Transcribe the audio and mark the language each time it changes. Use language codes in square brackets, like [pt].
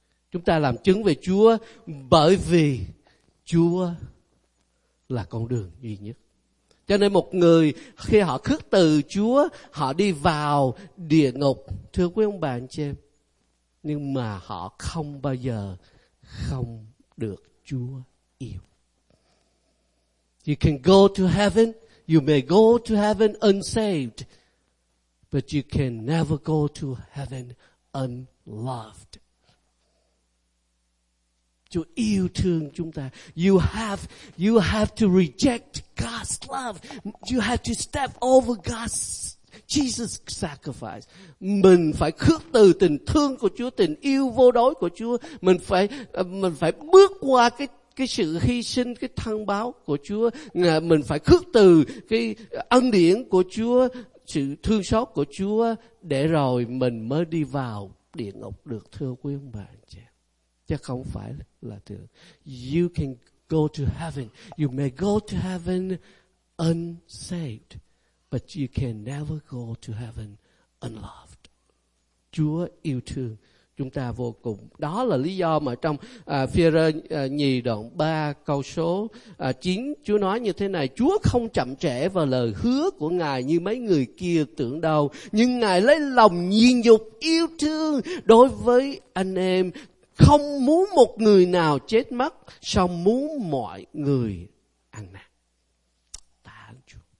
[vi] Chúng ta làm chứng về Chúa bởi vì Chúa là con đường duy nhất. Cho nên một người khi họ khước từ Chúa, họ đi vào địa ngục, thưa quý ông bà anh chị em. Nhưng mà họ không bao giờ không được Chúa yêu. [en] You can go to heaven, you may go to heaven unsaved, but you can never go to heaven unloved. [vi] Chúa yêu thương chúng ta. [en] You have to reject God's love. You have to step over God's Jesus sacrifice. [vi] Mình phải khước từ tình thương của Chúa, tình yêu vô đối của Chúa. Mình phải bước qua cái sự hy sinh, cái thăng báo của Chúa. Mình phải khước từ cái ân điển của Chúa, sự thương xót của Chúa, để rồi mình mới đi vào địa ngục được, thưa quý ông bà anh chị. Chứ không phải là được. [en] You can go to heaven. You may go to heaven unsaved, but you can never go to heaven unloved. [vi] Chúa yêu thương chúng ta vô cùng. Đó là lý do mà trong Phi-e-rơ nhì đoạn 3 câu số 9, Chúa nói như thế này: Chúa không chậm trễ vào lời hứa của Ngài như mấy người kia tưởng đâu, nhưng Ngài lấy lòng nhịn nhục yêu thương đối với anh em, không muốn một người nào chết mất, song muốn mọi người ăn năn. Tạ ơn Chúa.